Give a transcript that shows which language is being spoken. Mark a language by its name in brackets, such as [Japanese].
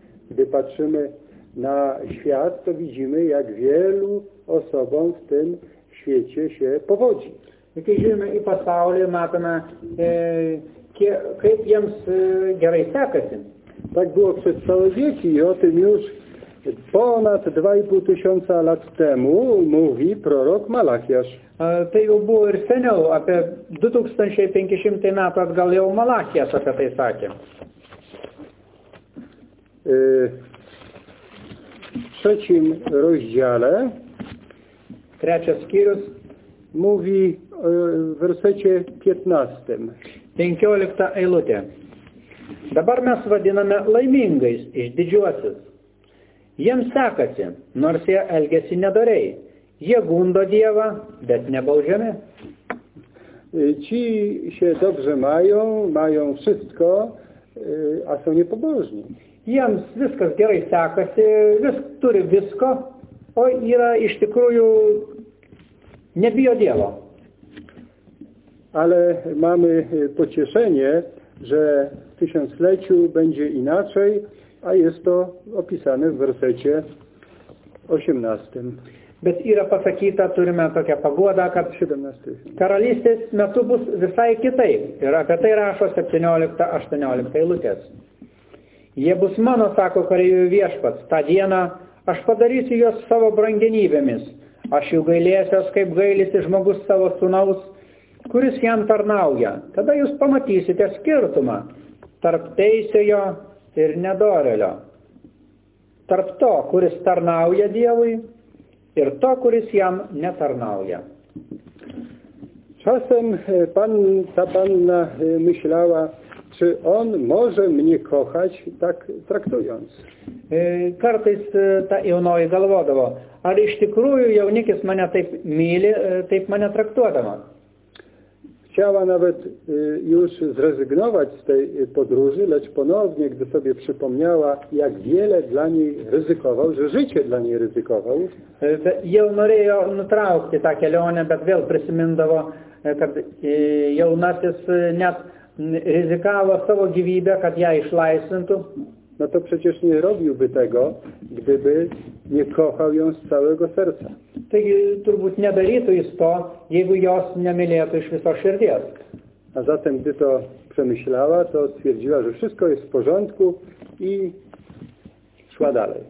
[Polish] Gdy patrzymy na świat, to widzimy, jak wielu osobom w tym świecie się powodzi. [Lithuanian] Kai žiūrime į pasaulį, matome, kaip jiems gerai sekasi. [Polish] Tak było przez całe dzieci i o tym już Ponad 2500 lat temu mówi prorok Malachiasz. [Lithuanian] Tai jau buvo ir seniau, apie 2500 metų atgal jau Malachijas apie tai sakė. [Polish] Trzecim rozdziale, [Lithuanian] trečias skyrius, [Polish] mówi versecie 15. [Lithuanian] 15 eilutė. Dabar mes vadiname laimingais iš didžiuosius. Jiems sekasi, nors jie elgesi nedorei. Jie gundo Dievą, bet nebaudžiami. [Polish] Ci się dobrze mają, mają wszystko, a są niepobożni. [Lithuanian] Jiems viskas gerai sekasi, turi visko, o yra iš tikrųjų nebijo Dievo. [Polish] Ale mamy pocieszenie, że w tysiącleciu będzie inaczej, a jest to opisane w wersecie 18. [Lithuanian] Bet yra pasakyta, turime tokią paguodą, kad 17. karalystės metu bus visai kitaip. Ir apie tai rašo 17-18 eilutės. Jie bus mano, sako kareivių viešpats, tą dieną aš padarysiu juos savo brangenybėmis. Aš jų gailėsios, kaip gailisi žmogus savo sūnaus, kuris jam tarnauja. Tada jūs pamatysite skirtumą tarp teisėjo ir nedorelio. Tarp to, kuris tarnauja Dievui, ir to, kuris jam netarnauja. [Polish] Czasem ta panna myślała, czy on może mnie kochać, tak traktując. [Lithuanian] Kartais ta jaunoji galvodavo, ar iš tikrųjų jaunikis mane taip myli, taip mane traktuodama. [Polish] Chciała nawet już zrezygnować z tej podróży, lecz ponownie, gdy sobie przypomniała, jak wiele dla niej ryzykował, że życie dla niej ryzykował. [Lithuanian] Jau norėjo nutraukti tą kelionę, bet vėl prisimindavo, kad jaunasis net ryzykavo savo gyvybę, kad ją išlaisvintų. [Polish] No to przecież nie robiłby tego, gdyby nie kochał ją z całego serca. [Lithuanian] Taigi turbūt nedarytų jis to, jeigu jos nemylėtų iš viso širdies. [Polish] A zatem, gdy to przemyślała, to stwierdziła, że wszystko jest w porządku i szła dalej.